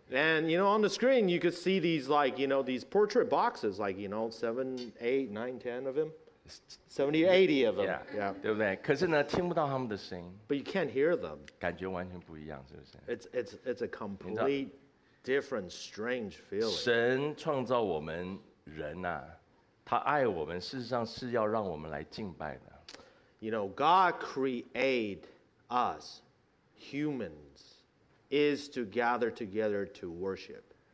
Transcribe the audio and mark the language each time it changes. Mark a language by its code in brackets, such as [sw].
[en] And you know, on the screen, you could see these, like, you know, these portrait boxes, like, you know, 7, 8, 9, 10 of them. 70, 80 of them. Yeah. [zh] 对不对？可是呢，听不到他们的声音。 [en] But you can't hear them. [zh] 感觉完全不一样，是不是？ [en] It's a complete different, strange feeling. [zh] 神创造我们人啊，他爱我们，事实上是要让我们来敬拜的。 [en] You know, God create us, humans, is to gather together to worship.